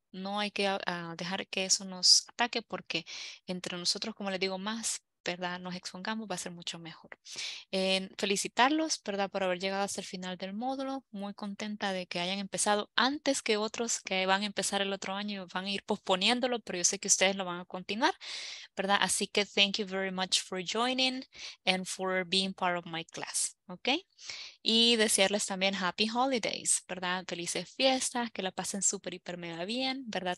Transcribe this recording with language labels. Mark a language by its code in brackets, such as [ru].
[es] No hay que dejar que eso nos ataque porque entre nosotros, como les digo, más, ¿verdad?, nos expongamos, va a ser mucho mejor. Felicitarlos, ¿verdad?, por haber llegado hasta el final del módulo. Muy contenta de que hayan empezado antes que otros que van a empezar el otro año y van a ir posponiéndolo, pero yo sé que ustedes lo van a continuar, ¿verdad? Así que [en] thank you very much for joining and for being part of my class. [es] Ok, y desearles también [en] happy holidays, [es] ¿verdad? Felices fiestas, que la pasen súper, hiper, mega bien, ¿verdad?